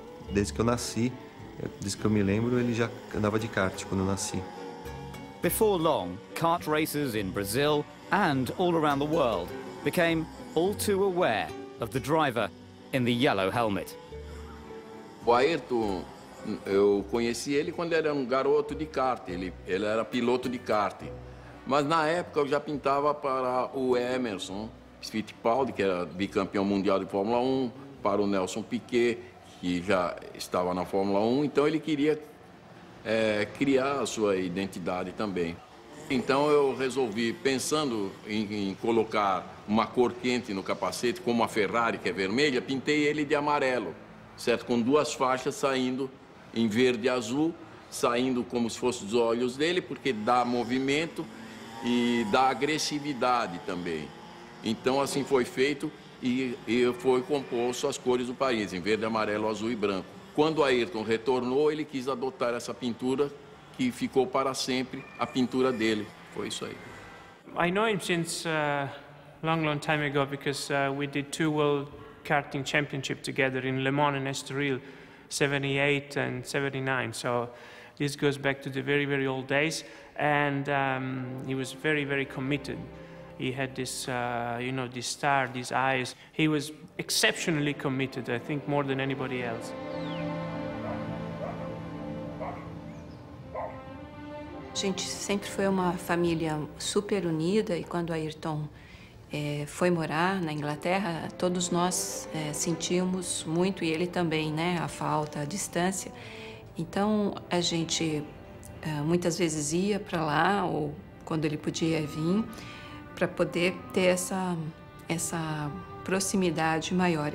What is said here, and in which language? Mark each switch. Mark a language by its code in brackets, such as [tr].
[pt] Desde que eu nasci, desde que eu me lembro, ele já andava de kart quando eu nasci. [en] Before long, kart races in Brazil and all around the world became all too aware of the driver in the yellow helmet. [pt] O Ayrton, eu conheci ele quando era um garoto de kart. Ele era piloto de kart. Mas na época eu já pintava para o Emerson Fittipaldi, que era bicampeão mundial de Fórmula 1, para o Nelson Piquet, que já estava na Fórmula 1, então ele queria criar a sua identidade também. Então eu resolvi, pensando em colocar uma cor quente no capacete, como a Ferrari, que é vermelha, pintei ele de amarelo, certo? Com duas faixas saindo em verde e azul, saindo como se fossem os olhos dele, porque dá movimento e dá agressividade também. Então assim foi feito. E foi composto as cores do país, em verde, amarelo, azul e branco. Quando Ayrton retornou, ele quis adotar essa pintura, que ficou para sempre a pintura dele. Foi isso aí. [en] I know him since a long, long time ago, because we did two World Karting Championships together in Le Mans and Estoril, 78 and 79. So this goes back to the very, very old days. And he was very, very committed. He had this, you know, this star, these eyes. He was exceptionally committed, I think, more than anybody else. [pt] A gente sempre foi uma família super unida, e quando Ayrton foi morar na Inglaterra, todos nós sentimos muito, e ele também, né, a falta, a distância. Então a gente muitas vezes ia para lá, ou quando ele podia vir, para poder ter essa proximidade maior.